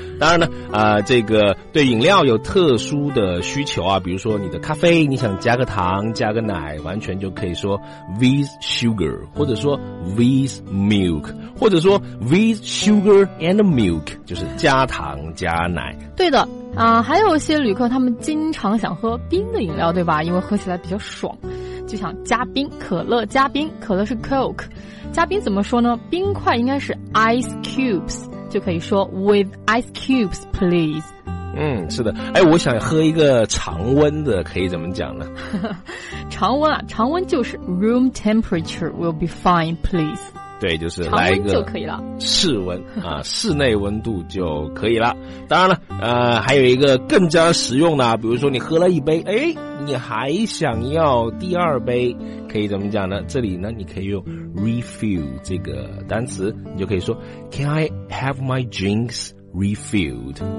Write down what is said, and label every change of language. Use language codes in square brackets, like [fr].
[zh] 当然呢，这个对饮料有特殊的需求啊，比如说你的咖啡，你想加个糖、加个奶，完全就可以说 [en] with sugar， [zh] 或者说 [en] with milk， [zh] 或者说 [en] with sugar and milk， [zh] 就是加糖加奶。对的。还有一些旅客他们经常想喝冰的饮料，对吧？因为喝起来比较爽，就想加冰可乐。加冰可乐是 coke， 加冰怎么说呢？冰块应该是 ice cubes， 就可以说 [en] with ice cubes please。 [zh] 是的。哎，我想喝一个常温的，可以怎么讲呢？常温啊，常温就是 [en] room temperature will be fine, please。 [zh] 对，就是来一个就可以了，室温啊，室内温度就可以了。当然了，还有一个更加实用的，比如说你喝了一杯，哎，你还想要第二杯，可以怎么讲呢？这里呢，你可以用 refill 这个单词，你就可以说 [en] Can I have my drinks refilled?